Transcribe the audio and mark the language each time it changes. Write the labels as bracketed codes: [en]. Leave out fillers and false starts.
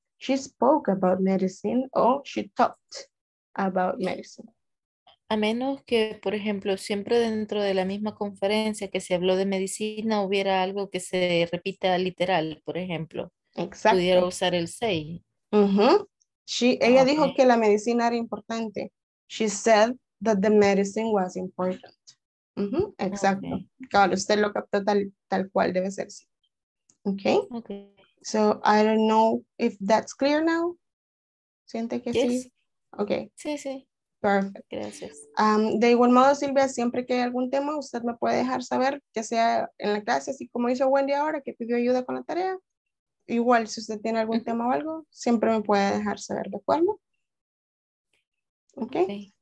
[en] She spoke about medicine o she talked about medicine. [es] A menos que, por ejemplo, siempre dentro de la misma conferencia que se habló de medicina hubiera algo que se repita literal, por ejemplo. Exacto. Pudiera usar el say. Ella dijo que la medicina era importante. [en] She said that the medicine was important. [es] Exacto. [en] Okay. [es] Claro, usted lo captó tal cual debe ser. Sí. Okay. [en] So I don't know if that's clear now. [es] ¿Siente que sí? Okay. Sí, sí. [en] Perfect. [es] Gracias. De igual modo, Silvia, siempre que hay algún tema, usted me puede dejar saber, ya sea en la clase, así como hizo Wendy ahora, que pidió ayuda con la tarea. Igual, si usted tiene algún tema o algo, siempre me puede dejar saber, ¿de acuerdo? Okay.